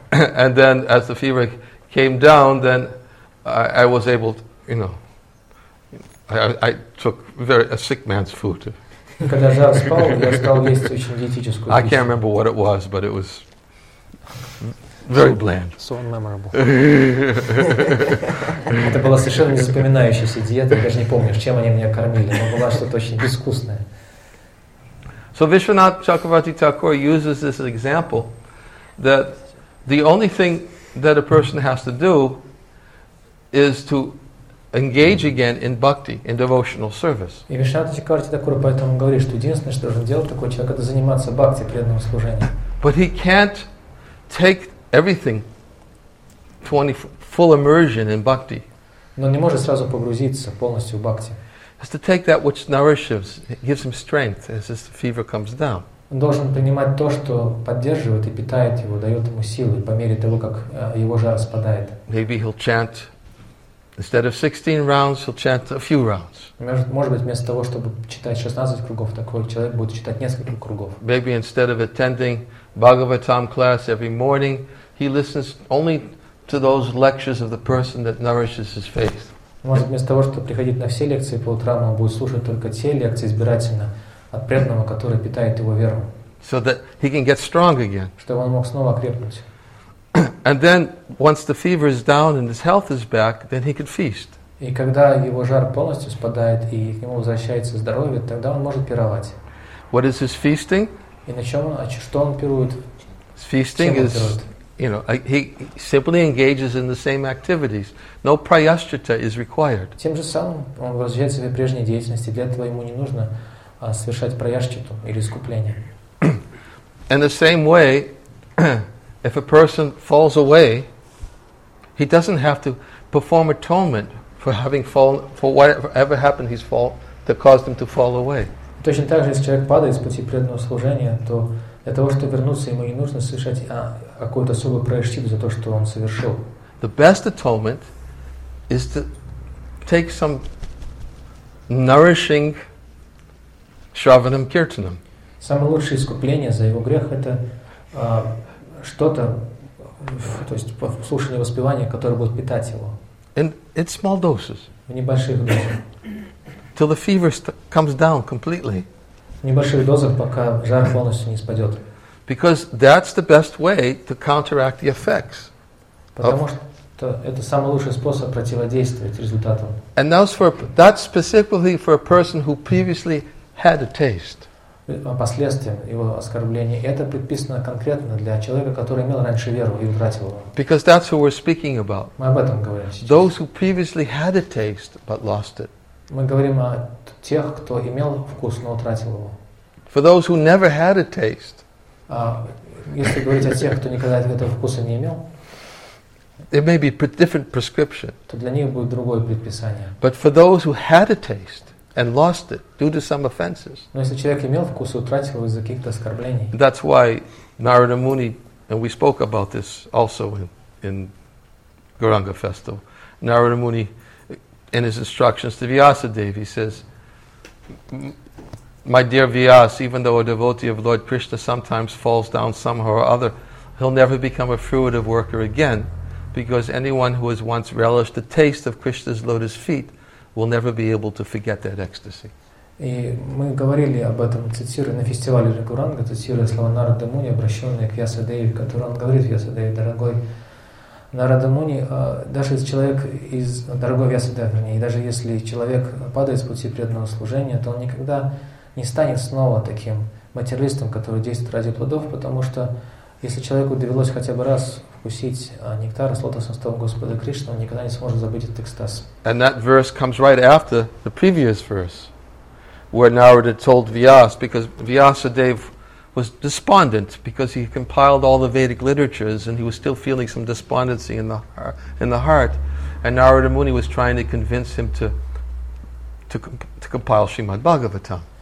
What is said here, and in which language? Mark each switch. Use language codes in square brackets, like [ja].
[en] And then, as the fever came down, then I was able to, you know, I took very a sick man's food. [ru] Когда жар спал, я стал есть очень диетическую пищу. [en] I can't remember what it was, but it was very bland. So unmemorable. [ru] Это была совершенно незапоминающаяся диета. Я даже не помню, чем они меня кормили. Но было что-то очень безвкусное. [en] So Vishwanath Chakravarti Thakur uses this example that the only thing that a person has to do is to engage again in bhakti, in devotional service. [ru] И Вишванатха Чакраварти Такур поэтому говорит, что единственное, что должен делать такой человек, это заниматься бхакти, преданным служением. [en] But he can't take everything, full immersion in bhakti. [ru] Но не может сразу погрузиться полностью в бхакти. [en] He has to take that which nourishes, gives him strength as his fever comes down. [ru] Он должен принимать то, что поддерживает и питает его, дает ему силы по мере того, как его жар спадает. [en] Maybe he'll chant, instead of 16 rounds, he'll chant a few rounds. [ru] Может быть, вместо того, чтобы читать 16 кругов, такой человек будет читать несколько кругов. [en] Maybe instead of attending Bhagavatam class every morning, he listens only to those lectures of the person that nourishes his faith. [ru] Может, вместо того, чтобы приходить на все лекции по утрам, он будет слушать только те лекции избирательно от преданного, который питает его веру. [en] so that he can get strong again. [ru] Чтобы он мог снова крепнуть. [en] And then, once the fever is down and his health is back, then he can feast. [ru] И когда его жар полностью спадает и к нему возвращается здоровье, тогда он может пировать. [en] What is his feasting? [ru] И на чем, что он пирует? [en] His feasting is, you know, he simply engages in the same activities. No prayaschitta is required. [ru] Тем же самым он возвращает себе прежние деятельности. Для этого ему не нужно совершать прайашчиту или искупление. [en] In the same way, if a person falls away, he doesn't have to perform atonement for having fallen, for whatever happened his fault that caused him to fall away. [ru] Точно так же, если человек падает с пути преданного служения, то для того, чтобы вернуться, ему не нужно совершать какую-то особую прайашчиту за то, что он совершил. [en] The best atonement is to take some nourishing Shravanam Kirtanam. [ru] Самое лучшее искупление за его грех — это что-то, то есть слушание воспевания, которое будет питать его. [en] And it's small doses. [ru] В небольших дозах. [en] Till the fever comes down completely. [ru] В небольших дозах, пока жар полностью не спадет. [en] Because that's the best way to counteract the effects. [ru] Потому что это самый лучший способ противодействовать результатам. [en] And that's specifically for a person who previously had a taste. [ru] Последствия его оскорбления. Это предписано конкретно для человека, который имел раньше веру и утратил его. [en] Because that's who we're speaking about. [ru] Мы об этом говорим сейчас. [en] Those who previously had a taste but lost it. [ru] Мы говорим о тех, кто имел вкус, но утратил его. [en] For those who never had a taste. [ru] Если говорить о тех, кто никогда этого вкуса не имел. [en] It may be a different prescription. [ru] То для них будет другое предписание. [en] But for those who had a taste. And lost it due to some offenses. [ru] Но если человек имел вкус и утратил его из-за каких-то оскорблений. [en] That's why Narada Muni, and we spoke about this also in Gauranga Festival. Narada Muni, in his instructions to Vyasadeva, he says, "My dear Vyas, even though a devotee of Lord Krishna sometimes falls down somehow or other, he'll never become a fruitive worker again, because anyone who has once relished the taste of Krishna's lotus feet." Will never be able to forget that ecstasy. [ru] И мы говорили об этом, цитируя на фестивале Ригуранга, цитируя слова Нарада Муни, обращенные к Вьясадеве, который он говорит: Вьясадеве, дорогой Нарада Муни, даже если человек из дорогой Вьясадеве, вернее, даже если человек падает с пути преданного служения, то он никогда не станет снова таким материалистом, который действует ради плодов, потому что если человеку довелось хотя бы раз вкусить нектар с лотосных стоп Господа Кришны, он никогда не сможет забыть этот экстаз. [en] And that verse comes right after the previous verse, where Narada told Vyas, because Vyasadeva was despondent because he compiled all the Vedic literatures and he was still feeling some despondency in the heart, and Narada Muni was trying to convince him to compile Srimad Bhagavatam.